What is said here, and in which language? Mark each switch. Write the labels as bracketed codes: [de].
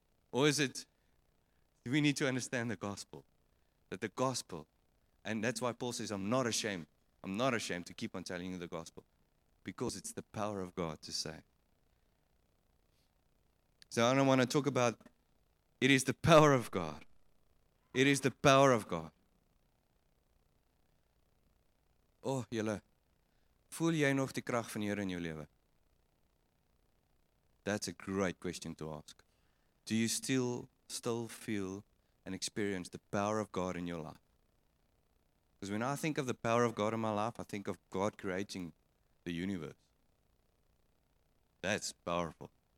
[en] Or is it, we need to understand the gospel. That the gospel, and that's why Paul says, I'm not ashamed to keep on telling you the gospel. Because it's the power of God to save. So I don't want to talk about, it is the power of God. It is the power of God. [af] Oh, julle, voel jy nog die krag van die Here in jou lewe? [en] That's a great question to ask. Do you still feel and experience the power of God in your life? Because when I think of the power of God in my life, I think of God creating the universe. That's powerful.